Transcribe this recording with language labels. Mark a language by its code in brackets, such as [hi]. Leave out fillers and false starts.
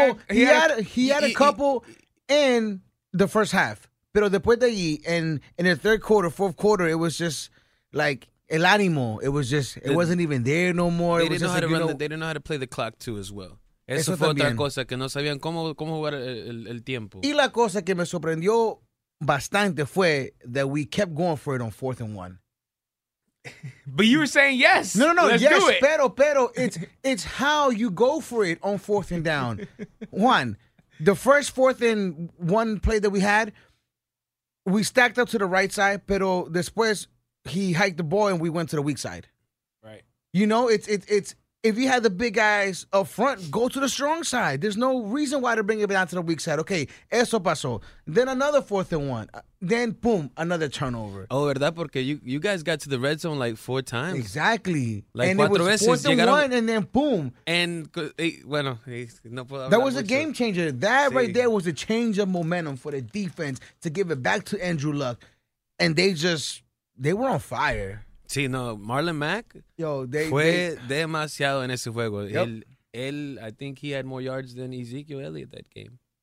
[en] He had a couple in the first half. [es] Pero después de allí, [en] in the third quarter, fourth quarter, it was just like... [es] El ánimo, [en] it wasn't even there no more. They didn't know how to play the clock too as well. [es] Eso fue también otra cosa, que no sabían cómo jugar el tiempo. Y la cosa que me sorprendió bastante fue [en] that we kept going for it on fourth and one. But you were saying yes. No, let's yes, do it. [es] Pero [en] it's how you go for it on fourth and down. Juan, the first fourth and one play that we had, we stacked up to the right side, [es] pero después... [en] He hiked the ball and we went to the weak side. Right. You know, it's if you had the big guys up front, go to the strong side. There's no reason why to bring it down to the weak side. Okay, [es] eso pasó. [en] Then another fourth and one. Then, boom, another turnover. [es] Oh, ¿verdad? Porque [en] you guys got to the red zone like 4 times. Exactly. Like and [es] 4 veces. [en] Fourth and one, and then, boom. And, [es] bueno, no puedo hablar. [en] That was [es] mucho. [en] A game changer. That [es] sí. [en] Right there was a change of momentum for the defense to give it back to Andrew Luck. And they just... They were on fire. [es] Sí, no, Marlon Mack demasiado en ese juego. [en] Yep. [es] Él, [en] I think he had more yards than Ezekiel Elliott that game.